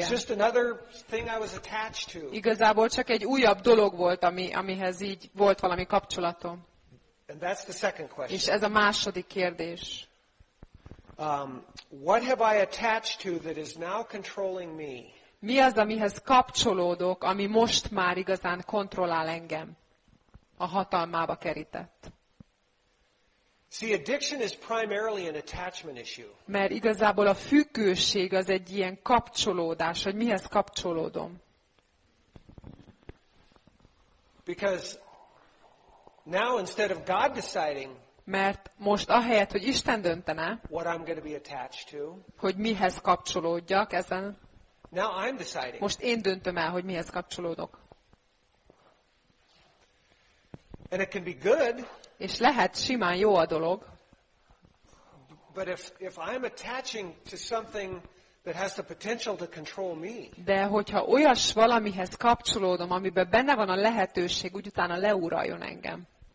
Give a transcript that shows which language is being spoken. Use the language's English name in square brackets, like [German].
[English] Was just another thing I was attached to. [Hungarian] Igazából csak egy újabb dolog volt, amihez így volt valami kapcsolatom. [English] And that's the second question. [Hungarian] És ez a második kérdés. [English] What have I attached to that is now controlling me? [Hungarian] Mi az, amihez kapcsolódok, ami most már igazán kontrollál engem? A hatalmába kerített. [English] See, addiction is primarily an attachment issue. [Hungarian] Mert igazából a függőség az egy ilyen kapcsolódás, hogy mihez kapcsolódom. [English] Because now instead of God deciding. [Hungarian] Mert most ahelyett, hogy Isten döntene, [English] what I'm going to be attached to, [Hungarian] hogy mihez kapcsolódjak ezen, [English] now I'm deciding. [Hungarian] Most én döntöm el, hogy mihez kapcsolódok. [English] And it can be good, [Hungarian] és lehet simán jó a dolog, [English] but if I'm attaching to something that has the potential to control me. [Hungarian] De hogyha olyas valamihez kapcsolódom, amiben benne van a lehetőség, úgy utána leuraljon engem.